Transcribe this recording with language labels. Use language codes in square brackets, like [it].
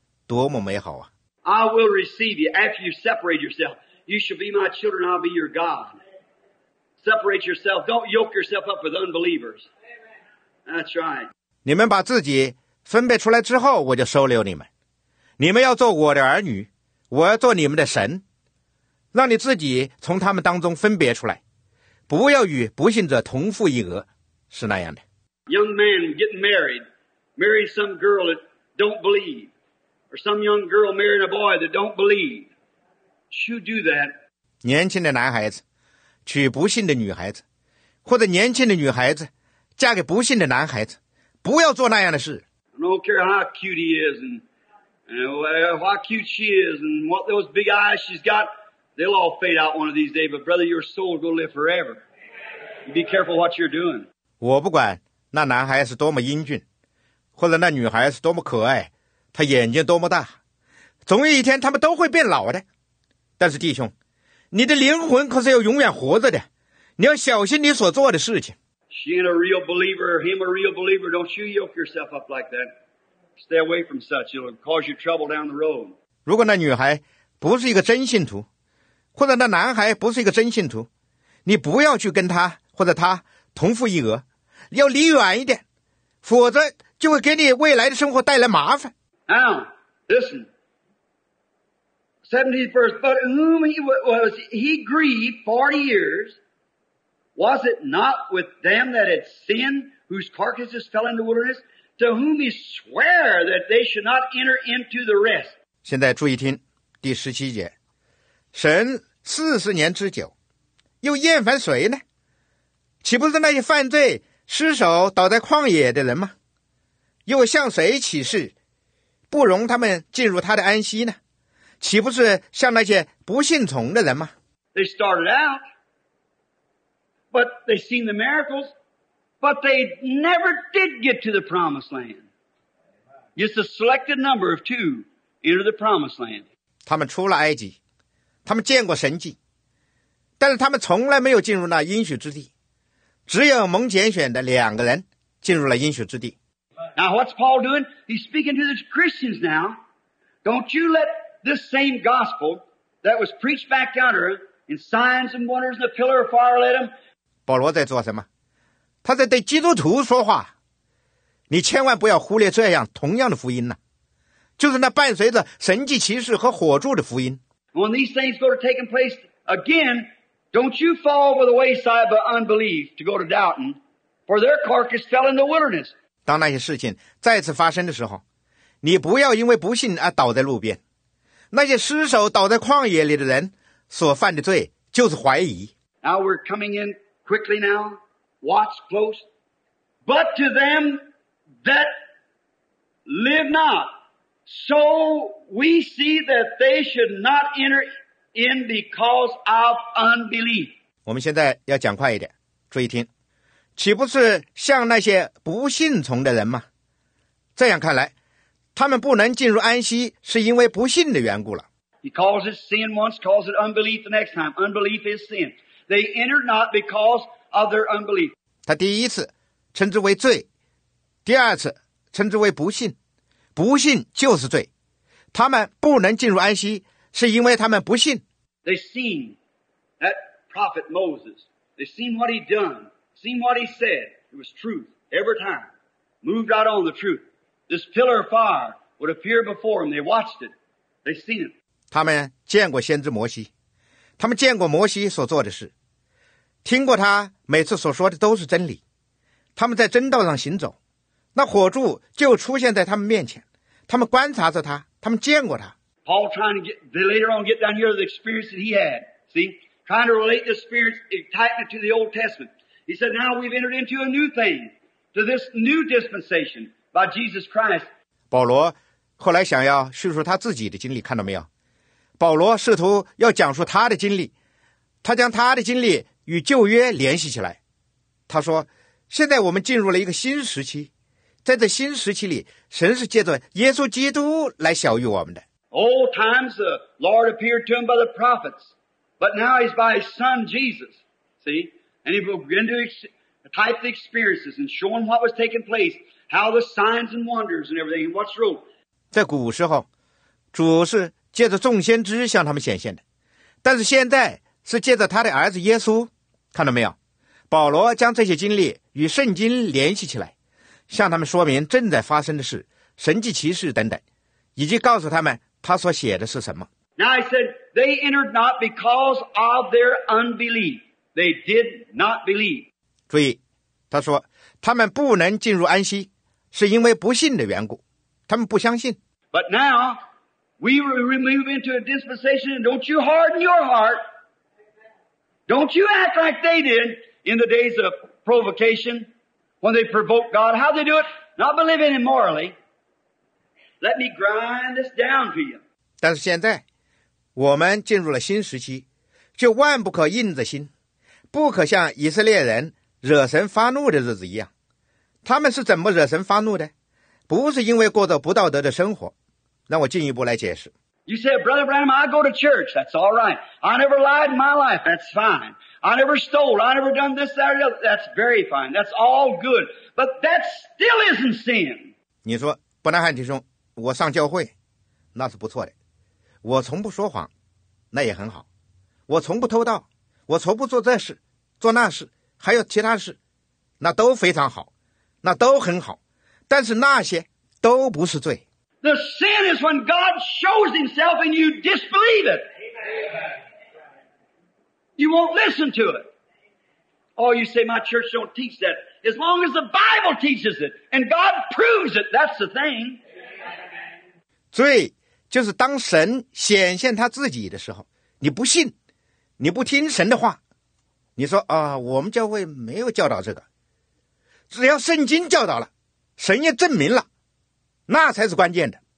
[zh] 多么美好啊！ [en] I will receive you after you separate yourself. You shall be my children. I'll be your God. Separate yourself. Don't yoke yourself up with unbelievers. That's right. [zh] 你们把自己分别出来之后，我就收留你们。你们要做我的儿女，我要做你们的神。让你自己从他们当中分别出来，不要与不信者同父异母，是那样的。 [en] Young man getting married, marrying some girl that don't believe, or some young girl marrying a boy that don't believe, should do that. [zh] 年轻的男孩子娶不信的女孩子，或者年轻的女孩子嫁给不信的男孩子，不要做那样的事。 [en] I don't care how cute he is and how cute she is and what those big eyes she's got, they'll all fade out one of these days, but brother, your soul will live forever. Be careful what you're doing. [zh] 我不管那男孩是多么英俊，或者那女孩是多么可爱，她眼睛多么大，总有一天他们都会变老的。但是弟兄，你的灵魂可是要永远活着的，你要小心你所做的事情。 [en] She ain't a real believer, him a real believer. Don't you yoke yourself up like that. Stay away from such. It'll cause you trouble down the road. [zh] 如果那女孩不是一个真信徒，或者那男孩不是一个真信徒，你不要去跟他或者他同父异母，要离远一点，否则就会给你未来的生活带来麻烦。 [en] Now, listen. 70th verse, but whom he was, he grieved 40 years. Was it not with them that had sinned, whose carcasses fell in the wilderness, to whom he swore that they should not enter into the rest? [zh] 现在注意听第十七节，神四十年之久，又厌烦谁呢？岂不是那些犯罪失手倒在旷野的人吗？又向谁起誓，不容他们进入他的安息呢？岂不是向那些不信从的人吗？ [en] They started out. But they seen the miracles, but they never did get to the promised land. Just a selected number of two enter the promised land. [zh] 他们出了埃及，他们见过神迹，但是他们从来没有进入那应许之地。只有蒙拣选的两个人进入了应许之地。 [en] Now what's Paul doing? He's speaking to the Christians now. Don't you let this same gospel that was preached back yonder in signs and wonders and the pillar of fire let him. [zh] 保罗在做什么？他在对基督徒说话。你千万不要忽略这样同样的福音呢、啊，就是那伴随着神迹奇事和火柱的福音。 [en] When these things go to taking place again, don't you fall over the wayside by unbelief to go to doubting, for their carcass fell in the wilderness. [zh] 当那些事情再次发生的时候，你不要因为不信而倒在路边。那些失手倒在旷野里的人所犯的罪就是怀疑。 [en] Now we're coming inQuickly now, watch close. But to them that live not, so we see that they should not enter in because of unbelief. [zh] 我们现在要讲快一点，注意听。岂不是像那些不信从的人吗？这样看来，他们不能进入安息，是因为不信的缘故了。 [en] He calls it sin once, calls it unbelief the next time. Unbelief is sin. They entered not because of their unbelief. [zh] 他第一次称之为罪，第二次称之为不信，不信就是罪。他们不能进入安息，是因为他们不信。 [en] They seen that prophet Moses. They seen what he'd done, seen what he said. It was truth every time. Moved out on the truth. This pillar of fire would appear before them. They watched it. They seen it. [zh] 他们见过先知摩西。他们见过摩西所做的事，听过他每次所说的都是真理。他们在真道上行走，那火柱就出现在他们面前。他们观察着他，他们见过他。 [en] Paul trying to get, they later on get down here the experience that he had. See, trying to relate the Spirit, tighten it to the Old Testament. He said, now we've entered into a new thing, to this new dispensation by Jesus Christ. [zh] 保罗后来想要叙述他自己的经历，看到没有？保罗试图要讲述他的经历，他将他的经历与旧约联系起来。他说，现在我们进入了一个新时期，在这新时期里，神是借着耶稣基督来晓谕我们的。 [en] Old times the Lord appeared to him by the prophets, but now he's by his son Jesus. See? And he began to type the experiences and show him what was taking place, how the signs and wonders and everything, what's wrong. [zh] 在古时候，主是借着众先知向他们显现的，但是现在是借着他的儿子耶稣，看到没有？保罗将这些经历与圣经联系起来，向他们说明正在发生的事，神迹奇事等等，以及告诉他们他所写的是什么。 [en] Now I said, they entered not because of their unbelief. They did not believe. [zh] 注意，他说，他们不能进入安息，是因为不信的缘故，他们不相信。 [en] But now, we move into a dispensation, and don't you harden your heart. Don't you act like they did in the days of provocation, when they provoked God. How they do it? Not believing immorally. Let me grind this down to you. [zh] 但是现在我们进入了新时期，就万不可硬着心，不可像以色列人惹神发怒的日子一样。他们是怎么惹神发怒的？不是因为过着不道德的生活。让我进一步来解释。 [en] You say, Brother Branham, I go to church. That's all right. I never lied in my life. That's fine. I never stole. I never done this, that, or the other. That's very fine. That's all good. But that still isn't sin. [zh] 你说，伯南汉弟兄，我上教会那是不错的，我从不说谎那也很好，我从不偷盗，我从不做这事做那事，还有其他事，那都非常好，那都很好，但是那些都不是罪。 [en] The sin is when God shows himself and you disbelieve it. You won't listen to it. Oh, you say my church don't teach that. As long as the Bible teaches it and God proves it, that's the thing. [zh] 罪就是当神显现他自己的时候，你不信，你不听神的话，你说啊，我们教会没有教导这个，只要圣经教导了，神也证明了，那才是关键的。